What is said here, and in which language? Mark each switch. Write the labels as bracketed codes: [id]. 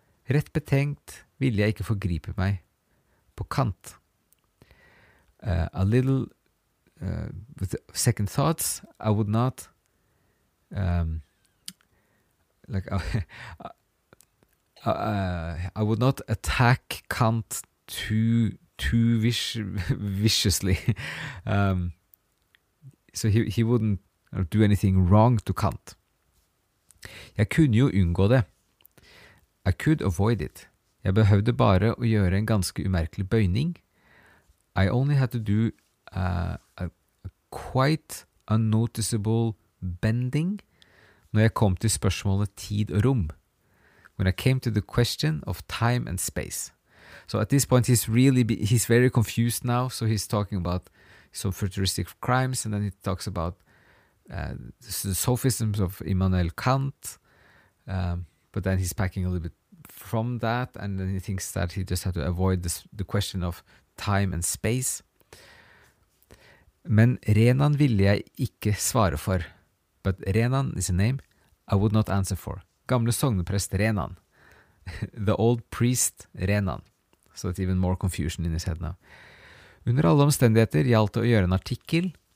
[no] Rett betenkt ville jeg ikke forgripe meg på kant. [en] With second thoughts, I would not I would not attack Kant too viciously. So he wouldn't do anything wrong to Kant. [no] Jeg kunne jo unngå det. [en] I could avoid it. [no] Jeg behøvde bare å gjøre en ganske umerkelig bøyning. [en] I only had to do a quite unnoticeable bending [no] når jeg kom til spørsmålet tid og rom. [en] When I came to the question of time and space. So at this point he's very confused now, so he's talking about some futuristic crimes, and then he talks about the sophisms of Immanuel Kant, but then he's packing a little bit from that, and then he thinks that he just had to avoid the question of time and space. [no] Men Renan ville jeg ikke svare for. [en] But Renan is a name I would not answer for. [no] Gamle sogneprest Renan. [en] The old priest Renan. So it's even more confusion in his head now. [no] Under alle omstendigheter gjaldt det å gjøre en artikkel.